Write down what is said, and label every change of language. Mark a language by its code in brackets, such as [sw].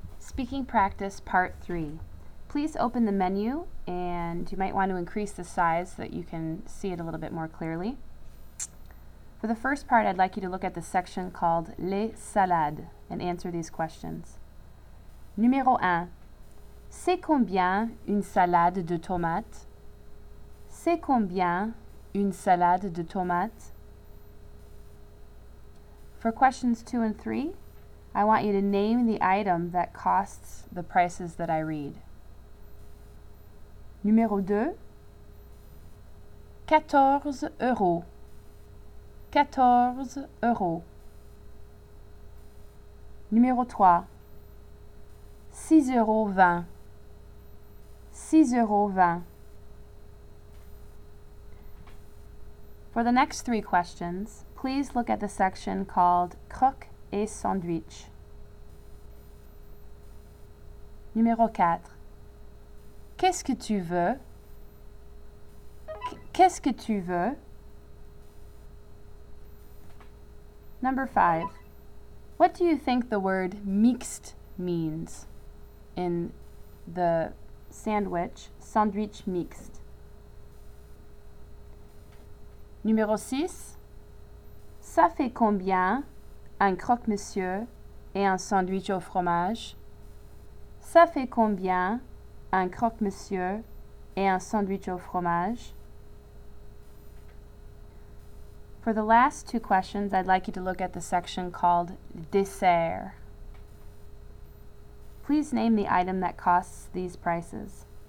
[en] Speaking practice part 3. Please open the menu, and you might want to increase the size so that you can see it a little bit more clearly. For the first part, I'd like you to look at the section called Les Salades and answer these questions. [fr] Numéro 1. C'est combien une salade de tomates? C'est combien une salade de tomates? [en] For questions 2 and 3, I want you to name the item that costs the prices that I read. [fr] Numéro 2. 14 euros. 14 euros. Numéro 3. 6 euros 20. 6 euros 20. [en] For the next 3 questions, please look at the section called Croque et Sandwich. [fr] Numéro 4. Qu'est-ce que tu veux? Qu'est-ce que tu veux? [en] Number 5. What do you think the word mixed means in the sandwich, sandwich mixed? [fr] Numéro 6. Ça fait combien un croque-monsieur et un sandwich au fromage? Ça fait combien un croque-monsieur et un sandwich au fromage? [en] For the last 2 questions, I'd like you to look at the section called dessert. Please name the item that costs these prices.